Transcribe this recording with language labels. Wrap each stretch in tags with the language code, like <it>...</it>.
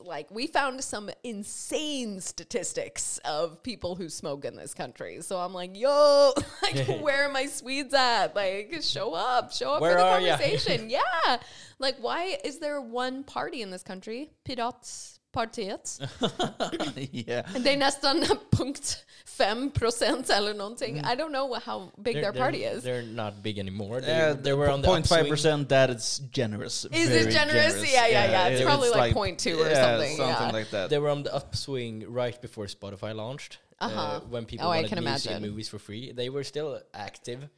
<en>Like we found some insane statistics of people who smoke in this country. So I'm like, yo, like where are my Swedes at? Like show up where for the conversation. Yeah. Like why is there one party in this country? Pidots,</en> <sv>partiet.</sv> <en>Yeah.</en> <sv>Det är nästan 0.5% eller någonting.</sv> <en>Mm. I don't know how big their party is. They're not big anymore. They were on the 0.5%, that is generous. Is it generous? Yeah. It's probably like 0.2 or something. Something like that. They were on the upswing right before Spotify launched. When people wanted to see movies for free, they were still active.</en>